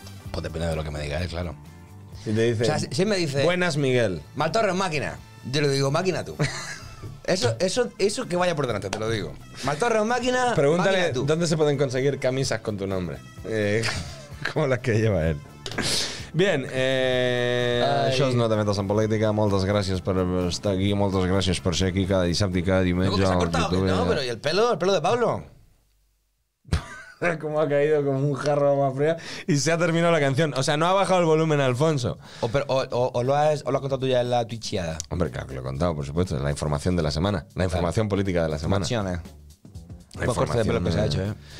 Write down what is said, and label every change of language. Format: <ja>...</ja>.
<es>Pues depende de lo que me diga, claro. Si te dice. O sea, si me dice. Buenas, Miguel. Maltorres, máquina. Yo le digo, máquina tú. Eso que vaya por delante, te lo digo. Maltorres, máquina. Pregúntale máquina, tú. ¿Dónde se pueden conseguir camisas con tu nombre? Como las que lleva él. Bien,</es> <ca>això és</ca> <es>No te metes en política.</es> <ca>Moltes gràcies per estar aquí. Moltes gràcies per ser aquí cada dissabte i cada diumenge.</ca> <es>No, que s'ha cortado, no,</es> <ca>però i</ca> <es>el pelo de Pablo. Como ha caído como un jarro de agua fría y se ha terminado la canción. O sea, no ha bajado el volumen, Alfonso. ¿O lo has contado tú ya en la twitchiada? Hombre, claro que lo he contado, por supuesto. La información de la semana. La información claro. política de la semana. Un poco corto de pelo que se ha hecho, ¿eh?</es>